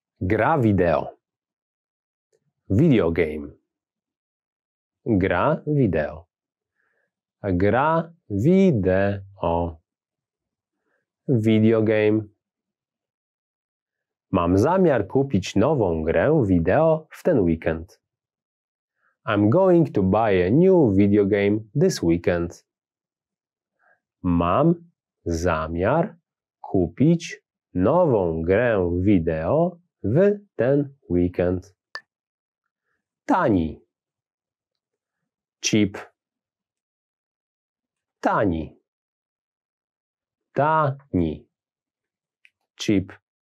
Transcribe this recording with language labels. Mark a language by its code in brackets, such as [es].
[pl] Gra wideo. Video game. Gra wideo. Gra wideo. Video game. Mam zamiar kupić nową grę wideo w ten weekend. [en] I'm going to buy a new video game this weekend. [pl] Mam zamiar kupić nową grę wideo w ten weekend. Tani. Cheap. Tani. Tani. Cheap.